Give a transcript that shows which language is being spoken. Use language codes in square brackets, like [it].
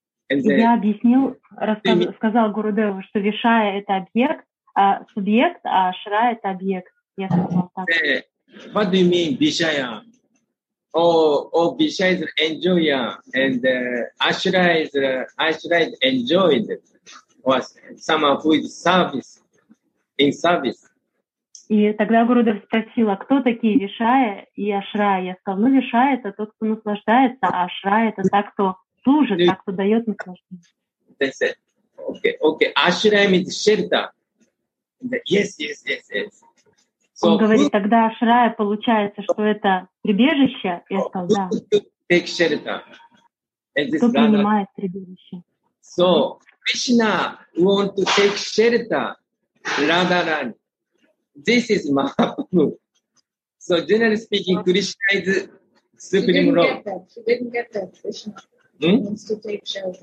[en] And then, [ru] я объяснил, сказал Гурудеву, что Вишая — это объект, а субъект, а Ашрая — это объект. Я сказал так. [en] What do you mean, Vishaya? Oh, Vishaya is enjoya, and Ashraya is enjoyed, or someone who is service, in service. [ru] И тогда Гурудев спросила, кто такие Вишая и Ашрая? Я сказала, ну, Вишая — это тот, кто наслаждается, а Ашрая — это та, кто служит, та, кто дает наслаждение. [en] They said, okay, Ashraya means shelter. Yes. So, [ru] он говорит, тогда Ашрая получается, что это прибежище, и я сказал, да. Кто принимает прибежище? [en] So, Krishna want to take shelter, Radharani. This is Mahaprabhu. So, generally speaking, Krishna is Supreme Lord. She didn't get that. Krishna wants to take shelter.